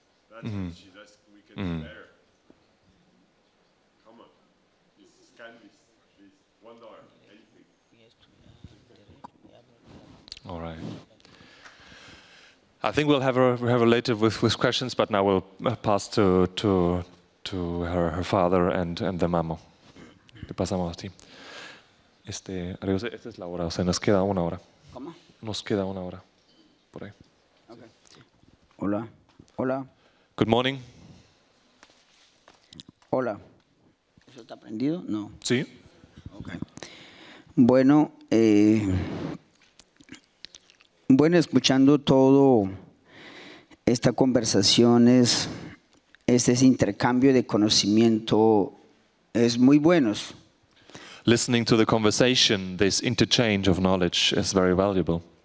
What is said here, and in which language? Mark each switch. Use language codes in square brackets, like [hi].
[en] That's what she's asking. We can bear. Come on, this is canvas. This $1. Anything. All right. I think we'll have her later with questions, but now we'll pass to her father and the mamá. [es] Le pasamos a ti. Esta es la hora, o sea, nos queda una hora. ¿Cómo? Nos queda una hora, por ahí. Okay. Hola. Hola. [en] Good morning. [es] Hola. ¿Eso está prendido? No. Sí. Okay. Bueno, escuchando todo esta conversación, este intercambio de conocimiento es muy bueno. [en] Listening to the conversation, this interchange of knowledge is very valuable.